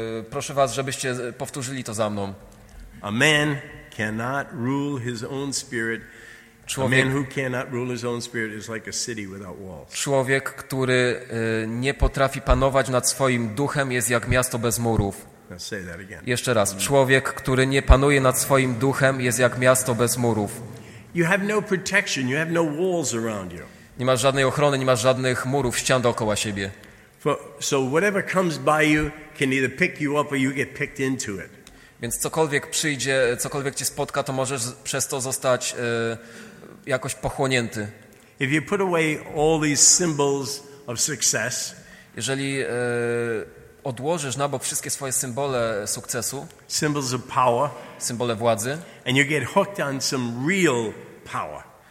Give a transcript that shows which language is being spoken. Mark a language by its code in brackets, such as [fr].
[pl] Proszę was, żebyście powtórzyli to za mną. [en] A man cannot rule his own spirit. [pl] Człowiek, [en] a man who cannot rule his own spirit is like a city without walls. [pl] Człowiek, który nie potrafi panować nad swoim duchem, jest jak miasto bez murów. [en] Let's say that again. [pl] Jeszcze raz. Człowiek, który nie panuje nad swoim duchem, jest jak miasto bez murów. [en] You have no protection, you have no walls around you. [pl] Nie masz żadnej ochrony, nie masz żadnych murów, ścian dookoła siebie. [en] So whatever comes by you can either pick you up or you get picked into it. [pl] Więc cokolwiek przyjdzie, cokolwiek cię spotka, to możesz przez to zostać jakoś pochłonięty. [en] If you put away all these symbols of success, [pl] jeżeli odłożysz na bok wszystkie swoje symbole sukcesu, [en] symbols of power, [pl] symbole władzy, [en] and you get hooked on some real power.